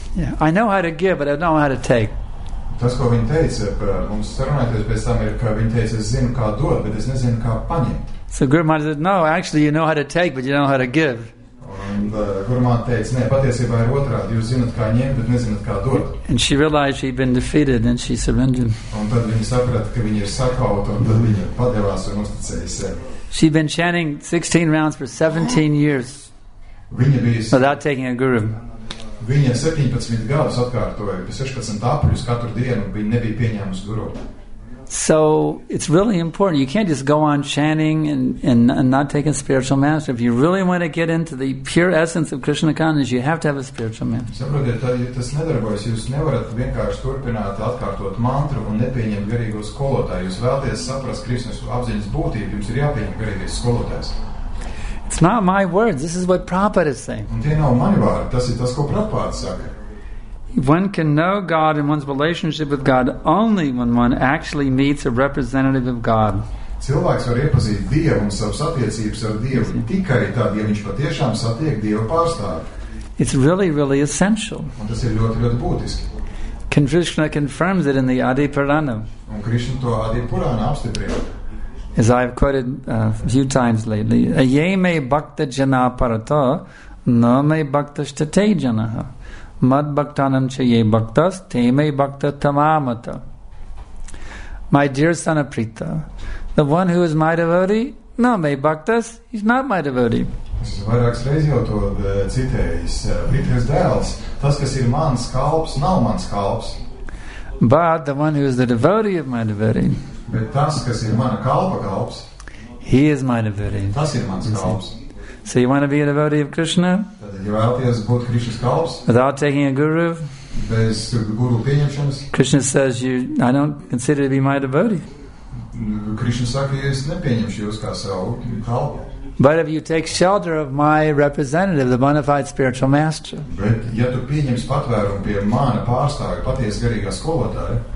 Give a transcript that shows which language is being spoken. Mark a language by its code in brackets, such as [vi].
[en] Yeah, I know how to give, but I don't know how to take. [lv] Tas, ko viņa teica, mums sarunājoties pēc tam ir, ka viņa teica, es zinu, kā dot, bet es nezinu, kā paņemt. [en] So Guru Mata said, no, actually, you know how to take, but you know how to give. [lv] Guru Mata teica, nē, patiesībā ir otrādi, jūs zinat, kā ņemt, bet nezinat, kā dot. [en] And she realized she'd been defeated, and she surrendered. [lv] Un tad viņa saprata, ka viņa ir sakauta, un tad viņa padevās un uzticēja sevi. [en] She'd been chanting 16 rounds for 17 years without taking a guru. [lv] Viņa 17 gadus atkārtoja, pie 16 apuļus katru dienu, viņa nebija pieņēmusi guru. [en] So, it's really important. You can't just go on chanting and not take a spiritual master. If you really want to get into the pure essence of Krishna consciousness, you have to have a spiritual master. [lv] Saprotiet, tas nedarbojas. Jūs nevarat vienkārši turpināt atkārtot mantru un nepieņemt garīgo skolotāju. Jūs vēlaties saprast Krishna apziņas būtību, jums ir jāpieņem garīgais skolotājs. [en] It's not my words, this is what Prabhupada is saying. [lv] Un tie nav mani vārdi, tas ir tas, ko Prabhupāda saka. [en] One can know God and one's relationship with God only when one actually meets a representative of God. [lv] Cilvēks var iepazīt Dievu un savas attiecības ar Dievu tikai tad, ja viņš patiešām satiek Dieva pārstāvi. [en] It's really, really essential. [lv] Un tas ir ļoti, ļoti būtiski. [en] Krishna confirms it in the Adi Purana. [lv] Un Krishna to Adi Purana apstiprina. [en] As I've quoted a few times lately, [sa] Aye me bhakta jana parato, na me bhakta shtate janaha. Mad bhaktanam cha ye bhaktas, te me bhakta tamamata. [en] My dear son Aprita, the one who is my devotee, [sa] na me bhaktas, [en] he's not my devotee. [lv] Es vairākas reizes jau to citējis. Aprita's dēls, tas, kas ir mans kalps, nav mans kalps. [en] But the one who is the devotee of my devotee, [lv] bet tas, kas ir mana kalpa kalps, [en] he is my devotee. [lv] Tas ir mans kalps. [en] So you want to be a devotee of Krishna? [lv] You vēlaties būt Krishna's kalps? [en] Without taking a guru? [lv] Bez guru pieņemšanas? [en] Krishna says, I don't consider to be my devotee. [lv] Krishna saka, es nepieņemšu jūs kā savu kalpu. [en] But if you take shelter of my representative, the bona fide spiritual master, [lv] bet ja tu pieņems patvērumu pie mana pārstāvja, paties garīgā skolotāja,